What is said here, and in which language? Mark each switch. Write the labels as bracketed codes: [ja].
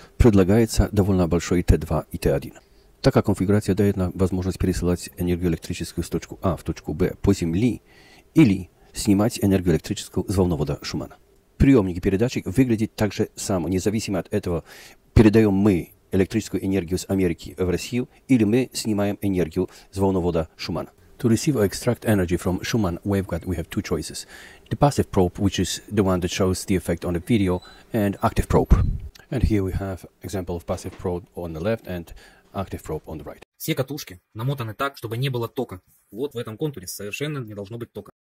[ru] Предлагается довольно большой Т2 и Т1. Такая конфигурация дает нам возможность пересылать энергию электрическую с точку А в точку Б по Земле или снимать энергию электрическую с волновода Шумана. Приемник и передатчик выглядят так же само. Независимо от этого, передаем мы электрическую энергию с Америки в Россию или мы снимаем энергию с волновода Шумана. [en] To receive or extract energy from Schumann waveguide, we have two choices. The passive probe, which is the one that shows the effect on the video, and active probe. And here we have example of passive probe on the left and active probe on the right. [ru] Все катушки намотаны так, чтобы не было тока. Вот в этом контуре совершенно не должно быть тока.